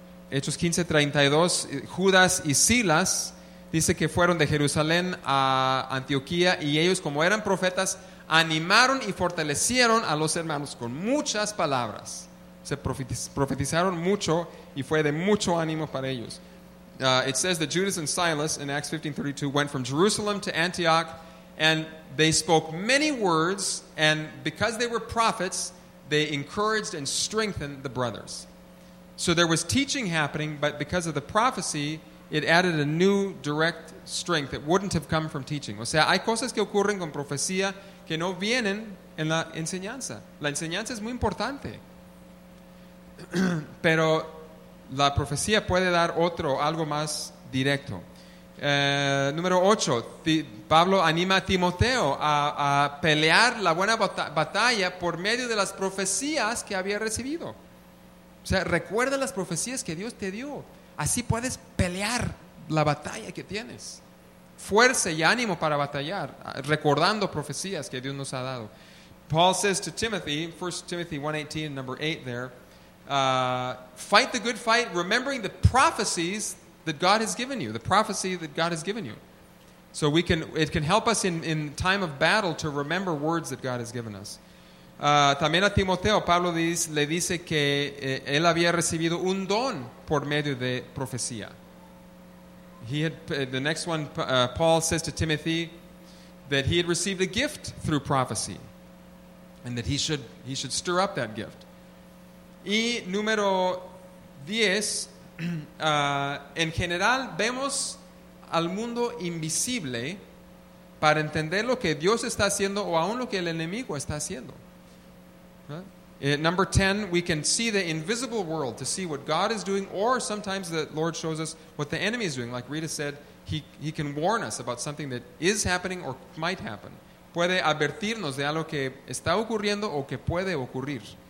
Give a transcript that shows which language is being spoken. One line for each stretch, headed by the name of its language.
Spanish: Hechos 15:32, Judas y Silas dice que fueron de Jerusalén a Antioquía y ellos, como eran profetas, animaron y fortalecieron a los hermanos con muchas palabras. Se profetizaron mucho y fue de mucho ánimo para ellos.
English: It says that Judas and Silas in Acts 15:32 went from Jerusalem to Antioch and they spoke many words, and because they were prophets, they encouraged and strengthened the brothers. So there was teaching happening, but because of the prophecy, it added a new direct strength that wouldn't have come from teaching.
Spanish: O sea, hay cosas que ocurren con profecía que no vienen en la enseñanza. La enseñanza es muy importante. Pero la profecía puede dar otro, algo más directo. Número 8, Pablo anima a Timoteo a pelear la buena batalla por medio de las profecías que había recibido. O sea, recuerda las profecías que Dios te dio. Así puedes pelear la batalla que tienes. Fuerza y ánimo para batallar, recordando profecías que Dios nos ha dado.
English: Paul says to Timothy, 1 Timothy 1:18, number 8 there, fight the good fight, remembering the prophecies that God has given you, the prophecy that God has given you. So we can, it can help us in time of battle to remember words that God has given us.
Spanish: También a Timoteo, Pablo le dice que él había recibido un don por medio de profecía.
English: Paul says to Timothy that he had received a gift through prophecy and that he should stir up that gift.
Spanish: Y número 10, en general vemos al mundo invisible para entender lo que Dios está haciendo o aún lo que el enemigo está haciendo.
English: Number 10, we can see the invisible world to see what God is doing, or sometimes the Lord shows us what the enemy is doing. Like Rita said, he can warn us about something that is happening or might happen.
Spanish: Puede advertirnos de algo que está ocurriendo o que puede ocurrir.